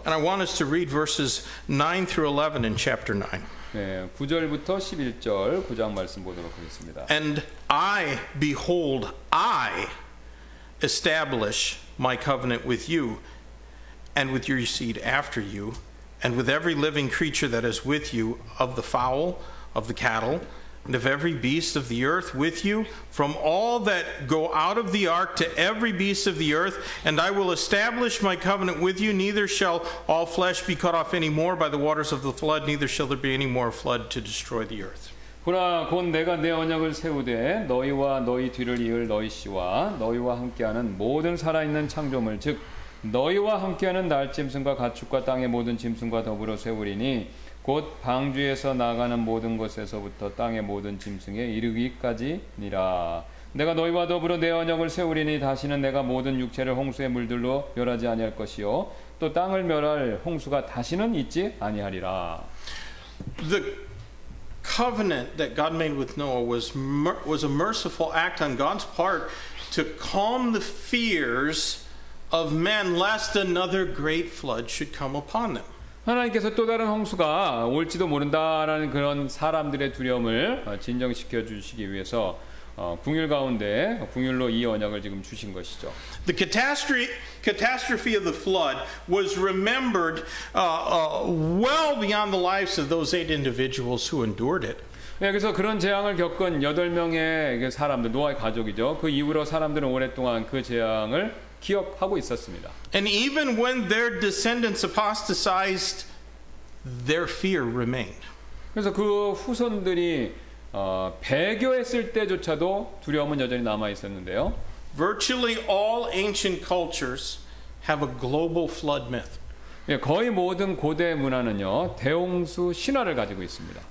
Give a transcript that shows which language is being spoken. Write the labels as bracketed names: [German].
[English] And I want us to read verses 9 through 11 in chapter 9. [Korean] 예, 9절부터 11절 구장 말씀 보도록 하겠습니다. [English] And I, behold, I establish my covenant with you and with your seed after you, and with every living creature that is with you, of the fowl, of the cattle, and of every beast of the earth with you, from all that go out of the ark to every beast of the earth, and I will establish my covenant with you, neither shall all flesh be cut off any more by the waters of the flood, neither shall there be any more flood to destroy the earth. [Korean] 그러나 곧 내가 내 언약을 세우되 너희와 너희 뒤를 이을 너희 씨와 너희와 함께하는 모든 살아있는 창조물 즉 너희와 함께하는 날짐승과 가축과 땅의 모든 짐승과 더불어 세우리니 곧 방주에서 나가는 모든 것에서부터 땅의 모든 짐승에 이르기까지니라. 내가 너희와 더불어 내 언약을 세우리니 다시는 내가 모든 육체를 홍수의 물들로 멸하지 아니할 것이요 또 땅을 멸할 홍수가 다시는 있지 아니하리라. [English] The covenant that God made with Noah was a merciful act on God's part to calm the fears of men lest another great flood should come upon them. [Korean] 하나님께서 또 다른 홍수가 올지도 모른다라는 그런 사람들의 두려움을 진정시켜 주시기 위해서 긍휼 가운데 긍휼로 이 언약을 지금 주신 것이죠. [English] The catastrophe of the flood was remembered well beyond the lives of those eight individuals who endured it. [Korean] 예, 그래서 그런 재앙을 겪은 여덟 명의 사람들, 노아의 가족이죠. 그 이후로 사람들은 오랫동안 그 재앙을 기억하고 있었습니다. [English] And even when their descendants apostatized, their fear remained. [Korean] 그래서 그 후손들이 배교했을 때조차도 두려움은 여전히 남아 있었는데요. [English] Virtually all ancient cultures have a global flood myth. [Korean] 예, 거의 모든 고대 문화는요, 대홍수 신화를 가지고 있습니다.